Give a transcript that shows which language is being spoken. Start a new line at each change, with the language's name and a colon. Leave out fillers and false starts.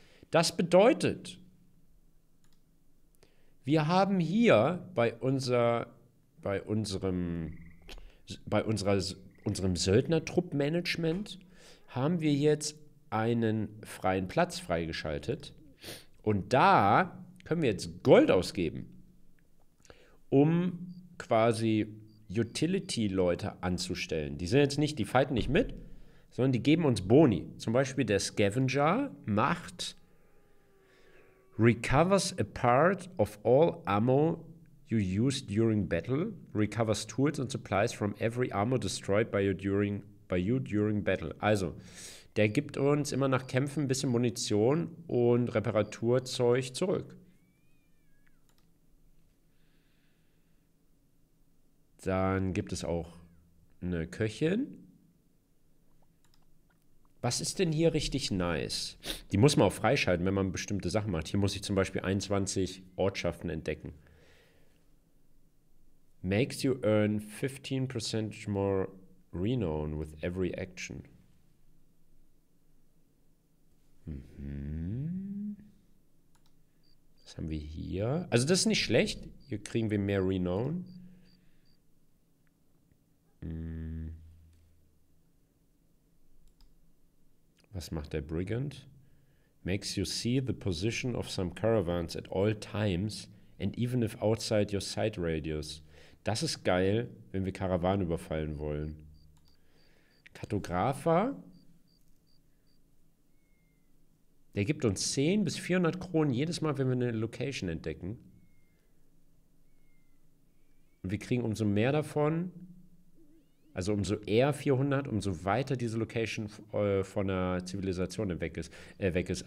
German: Das bedeutet, wir haben hier bei unserem Söldnertrupp-Management haben wir jetzt einen freien Platz freigeschaltet. Und da können wir jetzt Gold ausgeben, um quasi Utility-Leute anzustellen. Die sind jetzt nicht, die fighten nicht mit, sondern die geben uns Boni. Zum Beispiel der Scavenger macht
English: recovers a part of all ammo you used during battle, recovers tools and supplies from every armor destroyed by you during battle.
German: Also, der gibt uns immer nach Kämpfen ein bisschen Munition und Reparaturzeug zurück. Dann gibt es auch eine Köchin. Was ist denn hier richtig nice? Die muss man auch freischalten, wenn man bestimmte Sachen macht. Hier muss ich zum Beispiel 21 Ortschaften entdecken.
English: Makes you earn 15% more renown with every action.
German: Was haben wir hier? Also das ist nicht schlecht. Hier kriegen wir mehr Renown. Was macht der Brigand?
English: Makes you see the position of some caravans at all times and even if outside your sight radius.
German: Das ist geil, wenn wir Karawanen überfallen wollen. Kartographer? Der gibt uns 10 bis 400 Kronen jedes Mal, wenn wir eine Location entdecken. Und wir kriegen umso mehr davon, also umso eher 400, umso weiter diese Location von der Zivilisation weg ist.